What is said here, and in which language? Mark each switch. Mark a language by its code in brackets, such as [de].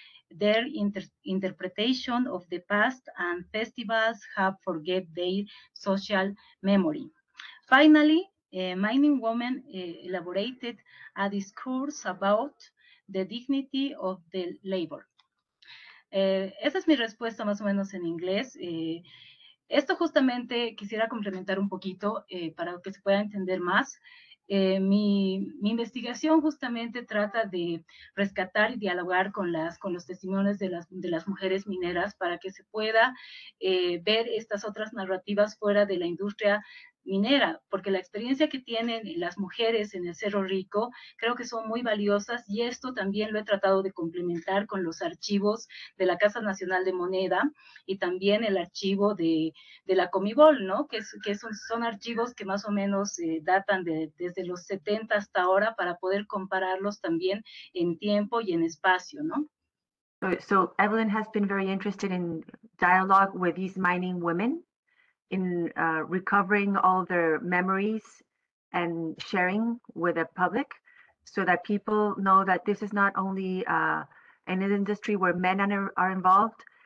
[en] Their interpretation of the past and festivals have forget their social memory. Finally, mining women elaborated a discourse about the dignity of the labor. [es] Esa es mi respuesta más o menos en inglés. Esto justamente quisiera complementar un poquito para que se pueda entender más. Mi investigación justamente trata de rescatar y dialogar con los testimonios de las mujeres mineras para que se pueda ver estas otras narrativas fuera de la industria minera, porque la experiencia que tienen las mujeres en el Cerro Rico creo que son muy valiosas, y esto también lo he tratado de complementar con los archivos de la Casa Nacional de Moneda y también el archivo de la Comibol, ¿no? Que son archivos que más o menos datan desde los 70 hasta ahora, para poder compararlos también en tiempo y en espacio, ¿no? [en] So Evelyn has been very interested in dialogue with these mining women, in recovering all their memories and sharing with the public, so that people know that this is not only an industry where men are involved.